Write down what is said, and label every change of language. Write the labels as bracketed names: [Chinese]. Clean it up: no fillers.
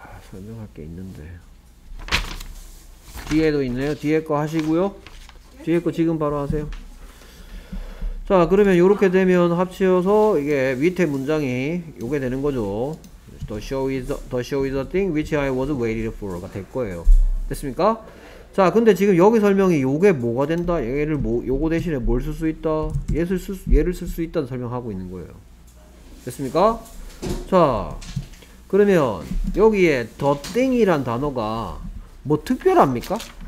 [Korean] 설명할 게 있는데 뒤에도 있네요. 뒤에 거 하시고요. 뒤에 거 지금 바로 하세요. 자, 그러면 이렇게 되면 합치어서 이게 밑에 문장이 요게 되는 거죠. [English] The show is the thing which I was waiting for [Korean] 가 될 거예요. 됐습니까? 자, 근데 지금 여기 설명이 요게 뭐가 된다? 얘를 뭐 요거 대신에 뭘 쓸 수 있다? 얘를 쓸 수 있다는 설명하고 있는 거예요. 됐습니까? 자. 그러면 여기에 더 띵이란 단어가 뭐 특별합니까?